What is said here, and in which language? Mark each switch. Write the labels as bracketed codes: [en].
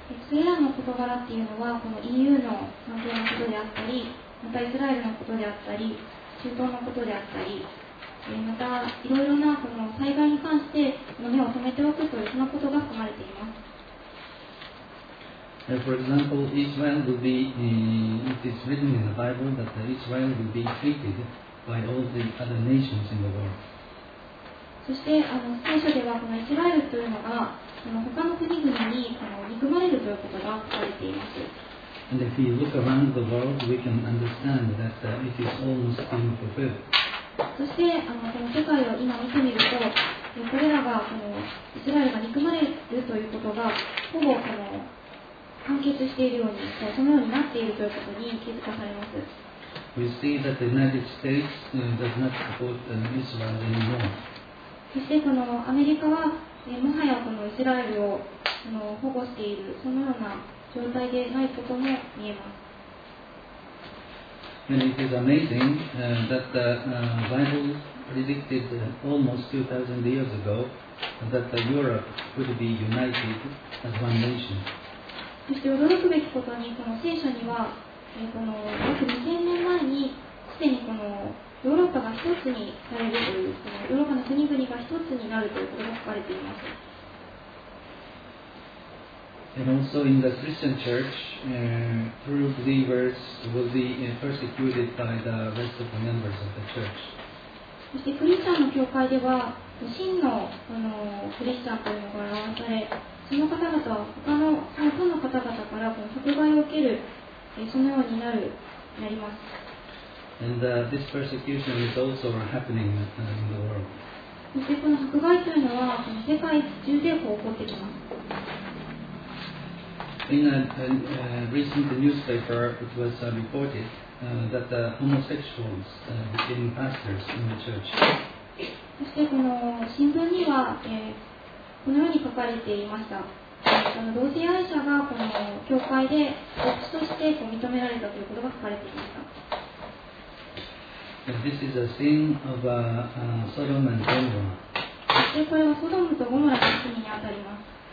[ja] それらの事柄っていうのはこの EU の関係のことであったり、またイスラエルのことであったり、中東のことであったり、またいろいろなこの災害に関して目を留めておくというそのことが含まれています。 [en] For example, Israel will be, it is written in the Bible that Israel will be hated by all the other nations in the world. [ja] そして聖書ではこのイスラエルというのがその他の国々に憎まれるということが書かれています。 [en] And if you look around the world, we can understand that it is almost being fulfilled. [ja] そしてこの世界を今見てみると、これらがイスラエルが憎まれるということがほぼ完結しているように、そのようになっているということに気づかされます。 [en] We see that the United States does not support Israel anymore. [ja] そしてこのアメリカはもはやこのイスラエルを保護している、そのような状態でないことも見えます。 [en] And it is amazing that the Bible predicted almost 2000 years ago that Europe would be united as one nation. [ja] そして驚くべきことにこの聖書にはこの約2000年前にすでにこのヨーロッパが一つにされるというそのヨーロッパの国々が一つになるということが書かれています。 [en] And also in the Christian church, true believers will be persecuted by the rest of the members of the church. [ja] そしてクリスチャンの教会では、真のこのクリスチャンというのが現され、その方々は他の教徒の方々からこの迫害を受ける、そのようになる、なります。 [en] And this persecution is also happening in the world. [ja] そしてこの迫害というのは、この世界中で起こってきます。 [en] In a recent newspaper, it was reported that the homosexuals became pastors in the church. [ja] そしてこの新聞には、このように書かれていました。その同性愛者がこの教会で牧師としてこう認められたということが書かれていました。 [en] This is a sin of a, Sodom and Gomorrah. [ja] でこれはソドムとゴモラの罪にあたります。